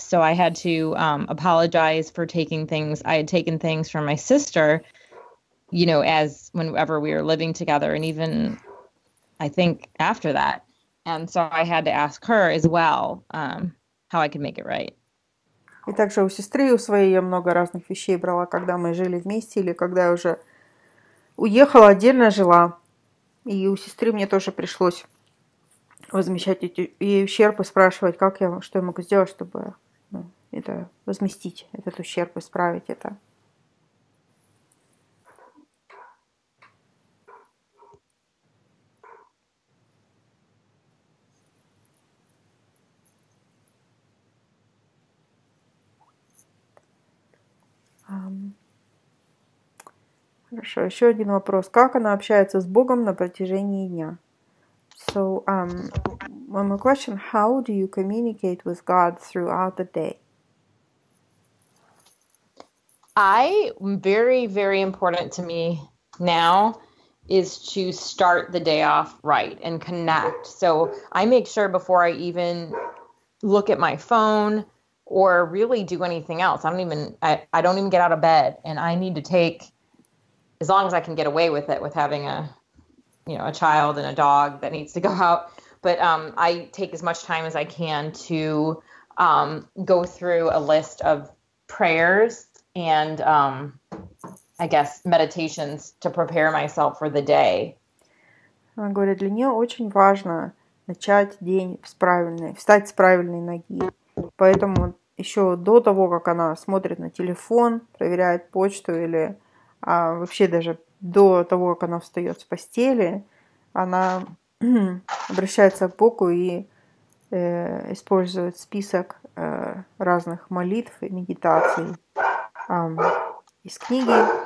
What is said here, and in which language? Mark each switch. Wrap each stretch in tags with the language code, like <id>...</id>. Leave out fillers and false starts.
<en>So I had to apologize for taking things. I had taken things from my sister, you know, as whenever we were living together and even I think after that. And so I had to ask her as well how I could make it right.</en> <ru>И также у сестры, у своей я много разных вещей брала, когда мы жили вместе или когда я уже уехала, отдельно жила. И у сестры мне тоже пришлось возмещать эти и ущерб и спрашивать, как я, что я могу сделать, чтобы, ну, это возместить, этот ущерб, исправить это. Хорошо, еще один вопрос. Как она общается с Богом на протяжении дня?</ru> <en>So One more question. How do you communicate with God throughout the day? I, very, very important to me now is to start the day off right and connect. So I make sure before I even look at my phone or really do anything else, I don't even get out of bed, and I need to take, as long as I can get away with it, with having a, you know, a child and a dog that needs to go out. But I take as much time as I can to go through a list of prayers and I guess meditations to prepare myself for the day.</en> <ru>Она говорит, для нее очень важно начать день с правильной, встать с правильной ноги. Поэтому еще до того, как она смотрит на телефон, проверяет почту или вообще даже до того, как она встает с постели, она обращается к Богу и использует список разных молитв и медитаций из книги.</ru>